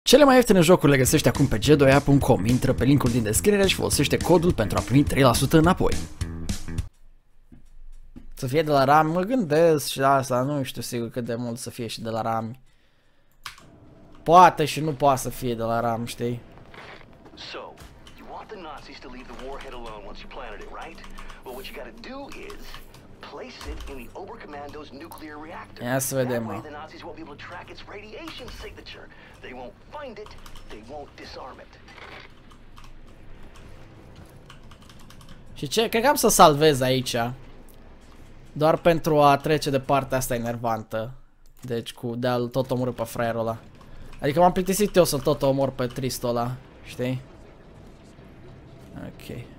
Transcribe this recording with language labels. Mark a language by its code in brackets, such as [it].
[ro] Cele mai ieftine jocuri le găsești acum pe g2a.com. Intră pe linkul din descriere și folosește codul pentru a primi 3% înapoi. Să fie de la RAM, mă gândesc și asta, nu știu sigur cât de mult să fie și de la RAM. Poate și nu poate să fie de la RAM, știi? [en] So, you want the Nazis to leave the warhead alone once you planted it, right? But what you gotta do is place it in the Oberkommando's nuclear reactor. [ro] Ia să vedem, mă. [en] The Nazis won't be able to track its radiation signature. They won't find it, they won't disarm it. [ro] Și ce? Cred că am să salvez aici. Doar pentru a trece de partea asta enervantă. Deci cu de-al tot omorâ pe fraierul ăla. Adică m-am plictisit eu să-l tot omor pe tristul ăla, știi? Ok.